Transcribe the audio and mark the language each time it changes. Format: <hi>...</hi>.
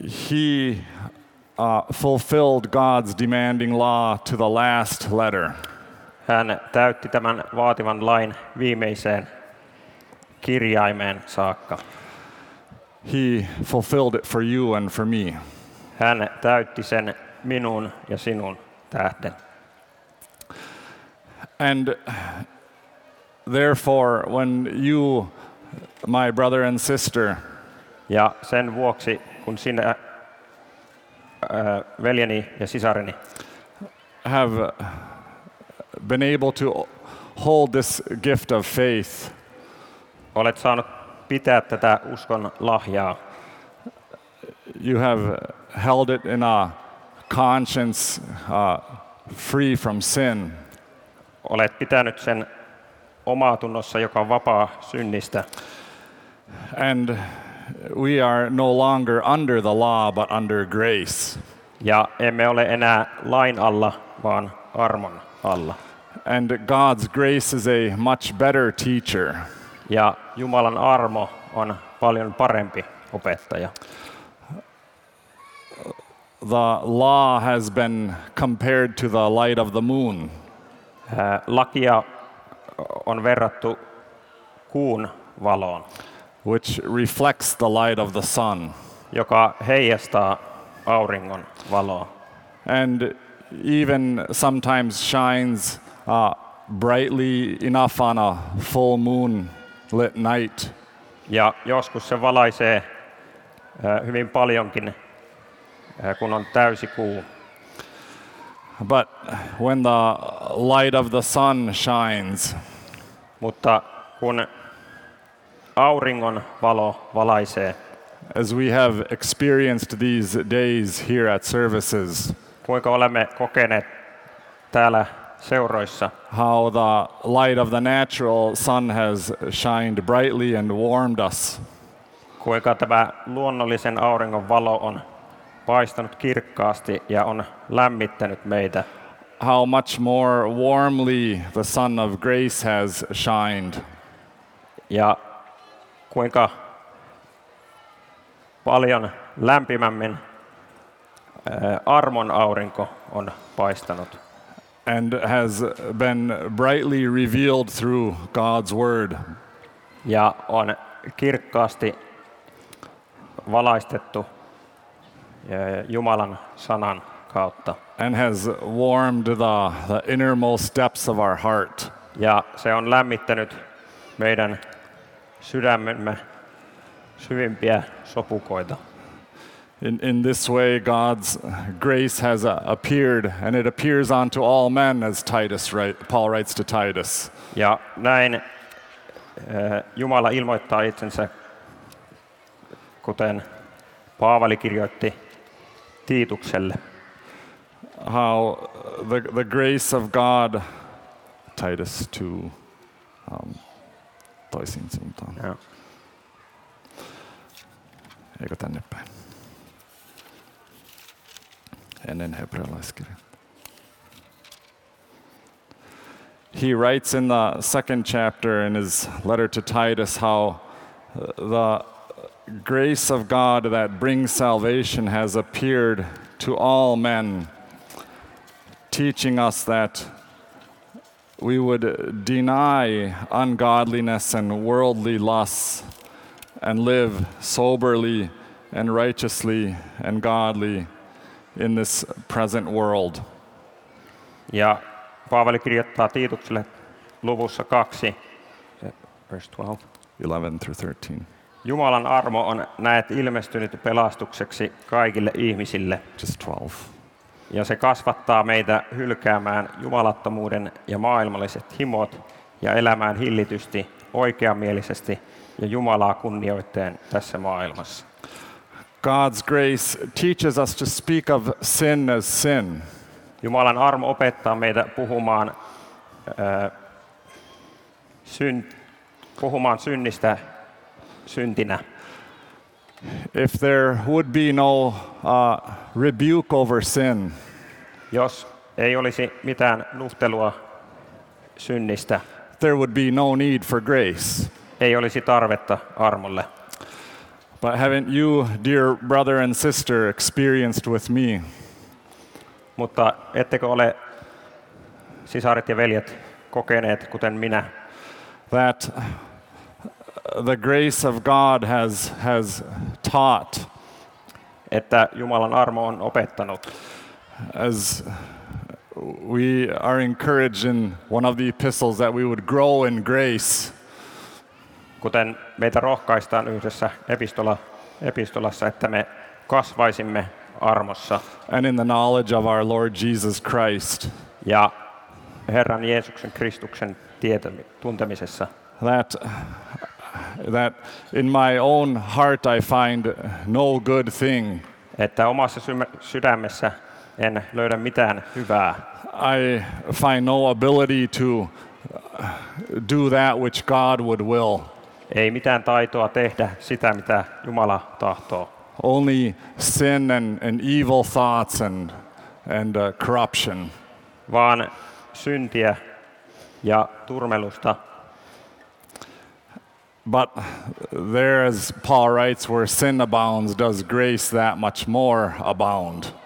<en>He fulfilled God's demanding law to the last letter.</en> <fi>Hän täytti tämän vaativan lain viimeiseen kirjaimeen saakka.</fi> <en>He fulfilled it for you and for me.</en> <fi>Hän täytti sen minun ja sinun tähden.</fi> <en>And therefore, when you, my brother and sister,</en> <fi>ja sen vuoksi, kun sinä, veljeni ja sisareni,</fi> <en>have been able to hold this gift of faith.</en> <fi>Olet saanut pitää tätä uskon lahjaa.</fi> <en>You have held it in a conscience free from sin.</en> <fi>Olet pitänyt sen omaa tunnossa, joka on vapaa synnistä.</fi> <en>And we are no longer under the law but under grace.</en> <fi>Ja emme ole enää lain alla, vaan armon alla.</fi> <en>And God's grace is a much better teacher.</en> <fi>Ja Jumalan armo on paljon parempi opettaja.</fi> <en>The law has been compared to the light of the moon.</en> <fi>Lakia on verrattu kuun valoon,</fi> <en>which reflects the light of the sun,</en> <fi>joka heijastaa auringon valoa.</fi> <en>And even sometimes shines brightly enough on a full moon lit night.</en> <fi>Ja joskus se valaisee hyvin paljonkin, kun on täysi kuu.</fi> <en>But when the light of the sun shines,</en> <fi>mutta kun auringon valo valaisee,</fi> <en>as we have experienced these days here at services,</en> <fi>kuinka olemme kokeneet täällä seuroissa,</fi> <en>how the light of the natural sun has shined brightly and warmed us,</en> <fi>kuinka tämä luonnollisen auringon valo on paistanut kirkkaasti ja on lämmittänyt meitä,</fi> <en>how much more warmly the sun of grace has shined,</en> <fi>ja kuinka paljon lämpimämmin armon aurinko on paistanut.</fi> <en>And has been brightly revealed through God's word.</en> <fi>Ja on kirkkaasti valaistettu Jumalan sanan kautta.</fi> <en>And has warmed the innermost depths of our heart.</en> <fi>Ja se on lämmittänyt meidän sydämemme syvimpiä sopukoita.</fi> <en>In this way God's grace has appeared and it appears unto all men, as Paul writes to Titus.</en> <fi>Ja näin Jumala ilmoittaa itsensä, kuten Paavali kirjoitti Tiitukselle.</fi> <en>How the grace of God, Titus 2,</en> <fi>toisiin suuntaan.</fi> <en>Yeah.</en> <fi>Eikö tänne päin? Ennen hebrealaiskirja.</fi> <en>He writes in the second chapter in his letter to Titus how the grace of God that brings salvation has appeared to all men, teaching us that we would deny ungodliness and worldly lusts and live soberly and righteously and godly in this present world.</en> <fi>Ja Paavali kirjoittaa Tiitukselle luvussa 2,</fi> <en>verse 12. 11 through 13.</en> <fi>Jumalan armo on näet ilmestynyt pelastukseksi kaikille ihmisille.</fi> <en>Just 12.</en> <fi>Ja se kasvattaa meitä hylkäämään jumalattomuuden ja maailmalliset himot ja elämään hillitysti, oikeamielisesti ja Jumalaa kunnioittaen tässä maailmassa.</fi> <en>God's grace teaches us to speak of sin as sin.</en> <fi>Jumalan armo opettaa meitä puhumaan puhumaan synnistä syntinä.</fi> <en>If there would be no rebuke over sin,</en> <fi>jos ei olisi mitään nuhtelua synnistä,</fi> <en>there would be no need for grace.</en> <fi>Ei olisi tarvetta armolle.</fi> <en>But haven't you, dear brother and sister, experienced with me?</en> <fi>Mutta ettekö ole sisaret ja veljet kokeneet kuten minä?</fi> <en>That the grace of God has taught,</en> <fi>että Jumalan armo on opettanut.</fi> <en>As we are encouraged in one of the epistles that we would grow in grace.</en> <fi>Kuten meitä rohkaistaan yhdessä epistolassa, että me kasvaisimme armossa.</fi> <en>And in the knowledge of our Lord Jesus Christ.</en> <fi>Ja Herran Jeesuksen Kristuksen tuntemisessa.</fi> <en>That in my own heart I find no good thing.</en> <fi>Että omassa sydämessä en löydä mitään hyvää.</fi> <en>I find no ability to do that which God would will.</en> <fi>Ei mitään taitoa tehdä sitä mitä Jumala tahtoo.</fi> <en>Only sin and evil thoughts and corruption.</en> <fi>Vaan syntiä ja turmelusta.</fi> <en>But there, as Paul writes, where sin abounds, does grace that much more abound.</en>